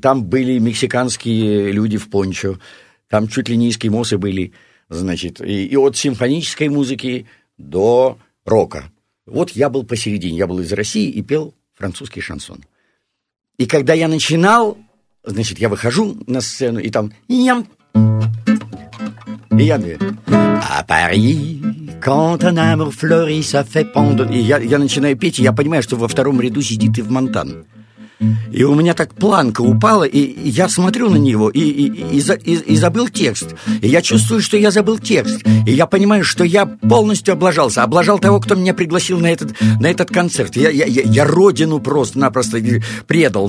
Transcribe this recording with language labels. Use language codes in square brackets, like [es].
[ru] Там были мексиканские люди в пончо, там чуть ли не эскимосы были, значит, и от симфонической музыки до рока. Вот я был посередине, я был из России и пел французский шансон. И когда я начинал... Значит, я выхожу на сцену, и там... Ням! И я... [fr] А Пари, quand un amour fleurit, ça fait pendre... [ru] И я начинаю петь, и я понимаю, что во втором ряду сидит Ив Монтан. И у меня так планка упала, и я смотрю на него, и забыл текст. И я чувствую, что я забыл текст. И я понимаю, что я полностью облажался. Облажал того, кто меня пригласил на этот концерт. Я родину просто-напросто предал.